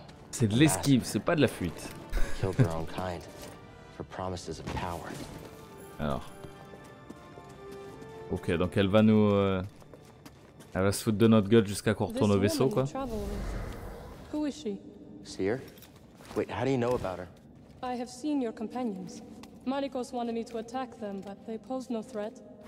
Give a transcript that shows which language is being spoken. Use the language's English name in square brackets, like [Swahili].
[French] C'est de l'esquive, c'est pas de la fuite. [English] Killed their own kind for promises of power. [French] Alors. Ok, donc elle va nous. Elle va se foutre de notre gueule jusqu'à qu'on retourne au vaisseau, quoi. [English] Who is she? Seer? Wait, how do you know about her? I have seen your companions. Malikos wanted me to attack them, but they pose no threat.